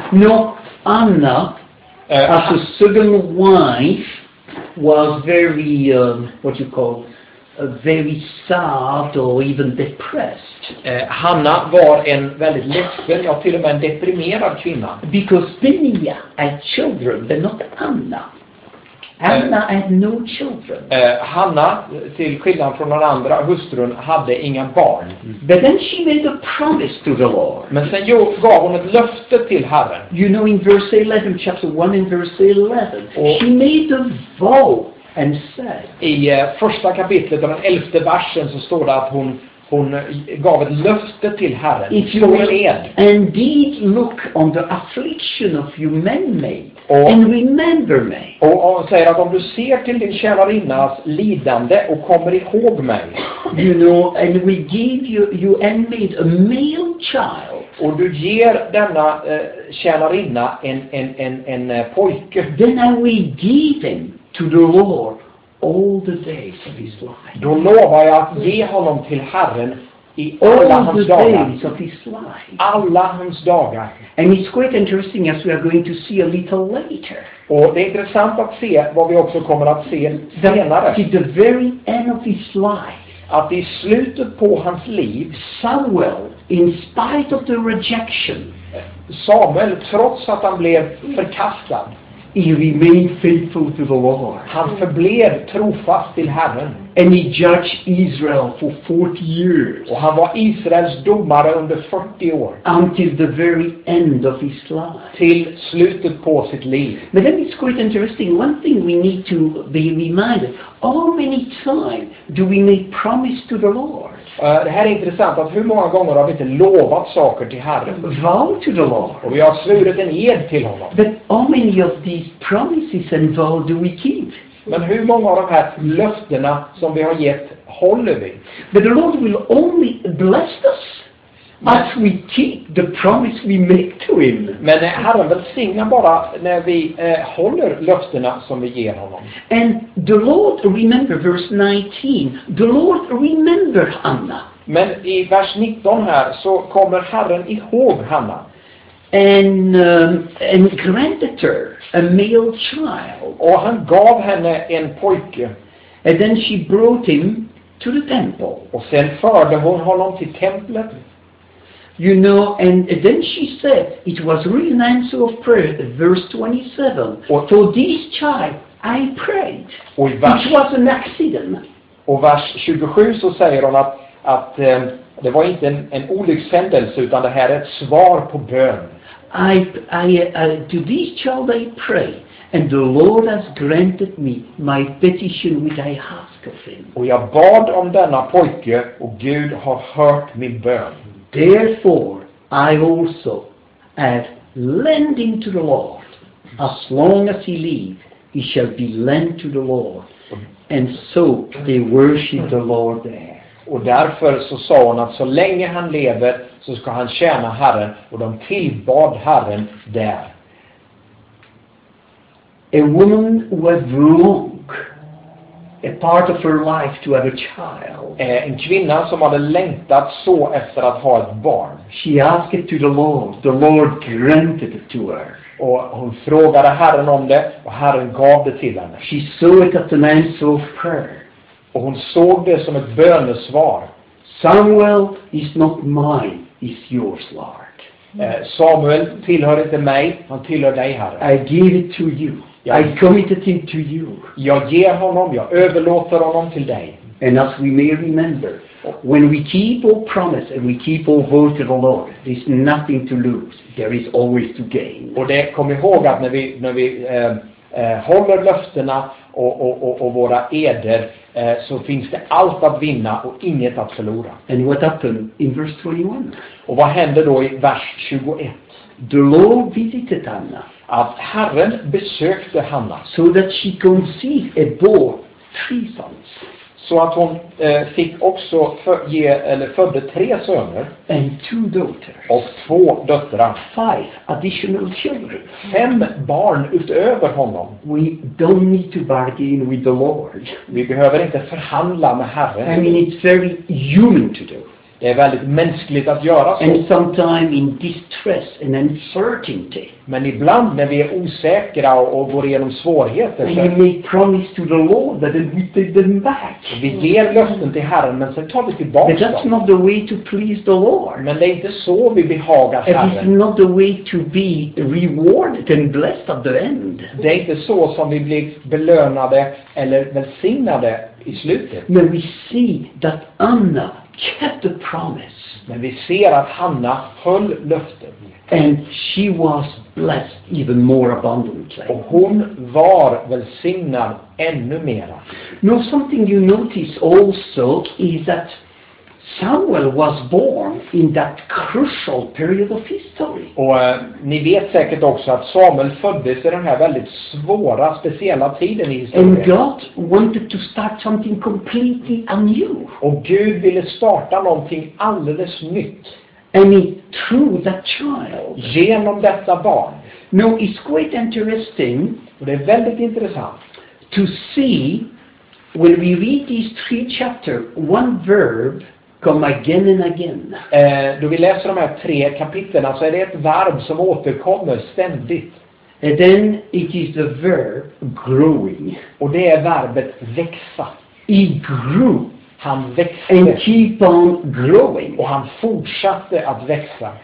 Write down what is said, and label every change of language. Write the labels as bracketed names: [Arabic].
[English] No, Anna, as a second wife, was very what you call very sad or even depressed. [Swedish] Hanna var en väldigt ledsen, ja till och med en deprimerad kvinna. [English] Because Penina had children, but not Anna. Anna had no children. [Swedish] Hanna, till skillnad från den andra hustrun, hade inga barn. [English] But then she made a promise to the Lord. [Swedish] Men sen gav hon ett löfte till Herren. [English] You know in verse 11, chapter 1 in verse 11, [Swedish] och [English] she made a vow and said. [Swedish] I första kapitlet, den elfte versen, så står det att hon gav ett löfte till Herren. [English] If you will indeed look on the affliction of your man-made and remember me. [Swedish] Och säger att om du ser till din tjänarinnas lidande och kommer ihåg mig. [English] You know, and we give you handmaid a male child. [Swedish] Och du ger denna tjänarinna en pojke. [English] Then I will give him to the Lord all the days of his life. [Swedish] Då lovar jag att ge honom till Herren i alla hans [English] days of his life. [Swedish] Alla hans dagar. [English] And it's quite interesting as we are going to see a little later. [Swedish] Och det är intressant att se vad vi också kommer att se senare. [English] At the very end of his life. [Swedish] Att i slutet på hans liv, [English] Samuel, in spite of the rejection, [Swedish] Samuel, trots att han blev förkastad, [English] he remained faithful to the Lord. [Swedish] Han förblev trofast till Herren. [English] And he judged Israel for 40 years. [Swedish] Och han var Israels domare under 40 år. [English] Until the very end of his life. [Swedish] Till slutet på sitt liv. [English] But then it's quite interesting. One thing we need to be reminded. How many times do we make promise to the Lord? [Swedish] Det här är intressant att hur många gånger har vi inte lovat saker till Herren? [English] Vow to the Lord. [Swedish] Och vi har svurit en ed till honom. [English] But how many of these promises and vows do we keep? [Swedish] Men hur många av de här löftena som vi har gett håller vi? [English] But the Lord will only bless us as we keep the promise we make to him. [Swedish] Men Herren välsignar bara när vi håller löftena som vi ger honom. [English] And the Lord remember verse 19. The Lord remember Hanna. [Swedish] Men i vers 19 här så kommer Herren ihåg Hanna. [English] And granted her a male child. [Swedish] Och han gav henne en pojke. [English] And then she brought him to the temple. [Swedish] Och sen förde hon honom till templet. [English] You know, and then she said, it was really an answer of prayer, verse 27. [Swedish] Och [English] for this child, I prayed. Which was an accident. [Swedish] Och vers 27 så säger hon att det var inte en olyckshändelse, utan det här är ett svar på bön. [English] I to this child I pray, and the Lord has granted me my petition which I ask of him. [Swedish] Och jag bad om denna pojke, och Gud har hört min bön. [English] Therefore, I also have lent him to the Lord. As long as he lives, he shall be lent to the Lord. And so they worship the Lord there. [Swedish] Och därför så sa hon att så länge han lever så ska han tjäna Herren, och de tillbad Herren där. [English] A woman who had broken a part of her life to have a child. [Swedish] En kvinna som hade längtat så efter att ha ett barn. [English] She asked it to the Lord granted it to her. [Swedish] Och hon frågade Herren om det, och Herren gav det till henne. [English] She saw it as an answer of prayer. [Swedish] Och hon såg det som ett bönesvar. [English] Samuel is not mine, is yours, Lord. [Swedish] Samuel tillhör inte mig, han tillhör dig, Herre. [English] I give it to you. I commit it to you. [Swedish] Jag ger honom, jag överlåter honom till dig. [English] And as we may remember, when we keep all promise and we keep all vows to the Lord, there is nothing to lose. There is always to gain. [Swedish] Och det, kom ihåg att när vi håller löftena och våra eder, så finns det allt att vinna och inget att förlora. [English] And what happened in verse 21? [Swedish] Och vad hände då i vers 21? [English] The Lord visited Anna. [Swedish] Att Herren besökte Hanna. [English] So that she conceived a boy, three sons. [Swedish] Så att hon fick också födde tre söner. [English] And two daughters. [Swedish] Och två döttrar. [English] Five additional children. [Swedish] Fem barn utöver honom. [English] We don't need to bargain with the Lord. [Swedish] Vi behöver inte förhandla med Herren. [English] I mean, it's very human to do. [Swedish] Det är väldigt mänskligt att göra så. [English] And sometimes in distress and uncertainty. [Swedish] Men ibland när vi är osäkra och går igenom svårigheter. [English] And we make promise to the Lord that we take them back. [Swedish] Vi ger löften till Herren, men sen tar vi tillbaka dem. [English] But that's not the way to please the Lord. [Swedish] Men det är inte så vi behagar Herren. [English] It's not the way to be rewarded and blessed at the end. [Swedish] Det är inte så som vi blir belönade eller välsignade i slutet. Men [English] we see that Anna kept the promise. [Swedish] Men vi ser att Hanna höll löften. [English] And she was blessed even more abundantly. [Swedish] Och hon var välsignad ännu mera. [English] Now something you notice also is that Samuel was born in that crucial period of history. [Swedish] Och ni vet säkert också att Samuel föddes i den här väldigt svåra, speciella tiden i historien. [English] And God wanted to start something completely anew. [Swedish] Och Gud ville starta någonting alldeles nytt. [English] And through that child. [Swedish] Genom detta barn. [English] Now it's quite interesting. [Swedish] Och det är väldigt intressant. [English] To see, when we read these three chapters, one verb come again and again. [Swedish] Då vi läser de här tre kapitlen, så är det ett verb som återkommer ständigt. [English] And then it is the verb growing. [Swedish] Och det är verbet växa. [English] He grew. [Swedish] Han växte. [English] And keep on growing. [Swedish] Och han fortsatte att växa.